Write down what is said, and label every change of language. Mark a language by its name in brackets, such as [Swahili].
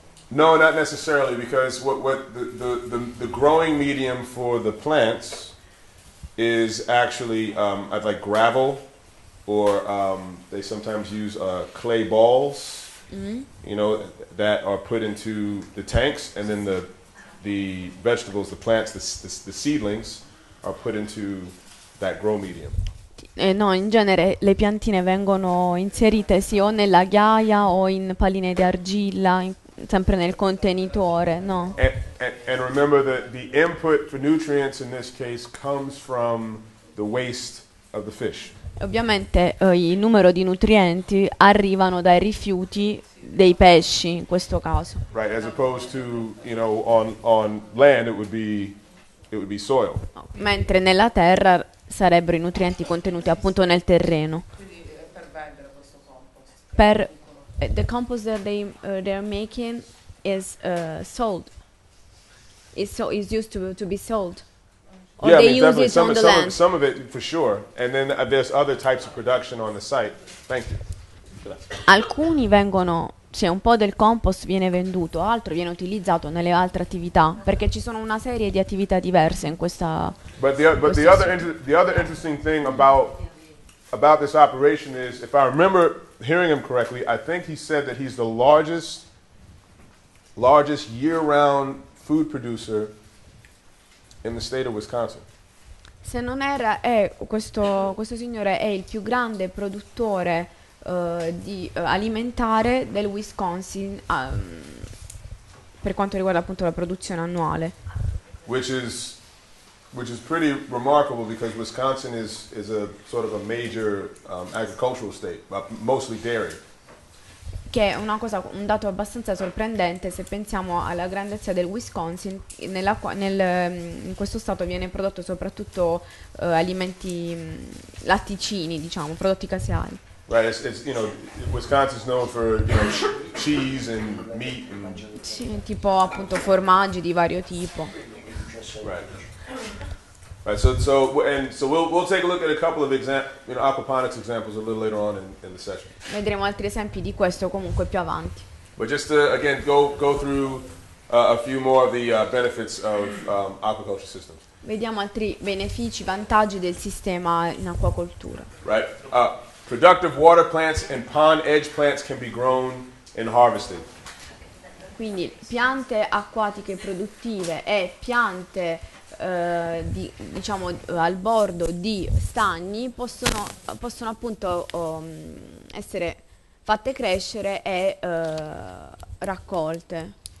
[English] No, not necessarily, because what the growing medium for the plants is actually like gravel, or they sometimes use clay balls, you know, that are put into the tanks, and then the vegetables, the plants, the seedlings are put into that grow medium. [Italian] No, in genere le piantine vengono inserite sì o nella ghiaia o in palline di argilla, sempre nel contenitore, no? [English] And remember that the input for nutrients in this case comes from the waste of the fish. [Italian] Ovviamente il numero di nutrienti arrivano dai rifiuti dei pesci in questo caso. [English] Right, as opposed to, you know, on land it would be it would be soil. [Italian] Mentre nella terra sarebbero i nutrienti contenuti appunto nel terreno. Quindi per vendere questo compost. [English] Per the compost that they they're making is sold. It's so is used to be sold. Or yeah, they I mean, use it some, on the some land. Of, some of it for sure, and then there's other types of production on the site. Thank you. [Italian] Alcuni vengono, cioè un po' del compost viene venduto, altro viene utilizzato nelle altre attività, perché ci sono una serie di attività diverse in questa. [English] But the other interesting thing about this operation is, if I remember hearing him correctly, I think he said that he's the largest year-round food producer in the state of Wisconsin. [Italian] Se non era, questo signore è il più grande produttore di alimentare del Wisconsin per quanto riguarda appunto la produzione annuale. [English] Which is pretty remarkable because Wisconsin is a sort of a major agricultural state, but mostly dairy. [Italian] Che è una cosa, un dato abbastanza sorprendente se pensiamo alla grandezza del Wisconsin, in questo stato viene prodotto soprattutto alimenti latticini, diciamo, prodotti caseari. [English] Right, it's you know, Wisconsin's known for, you know, cheese and meat and [Italian] sì, tipo appunto formaggi di vario tipo. [English] Right. So we'll take a look at a couple of aquaponics examples a little later on in the session. [Italian] Vedremo altri esempi di questo comunque più avanti. [English] But just to, again go through a few more of the benefits of aquaculture systems. [Italian] Vediamo altri benefici, vantaggi del sistema in acquacoltura. [English] Right. Productive water plants and pond edge plants can be grown and harvested. [Italian] Quindi piante acquatiche produttive e piante al bordo di stagni possono appunto essere fatte crescere e raccolte.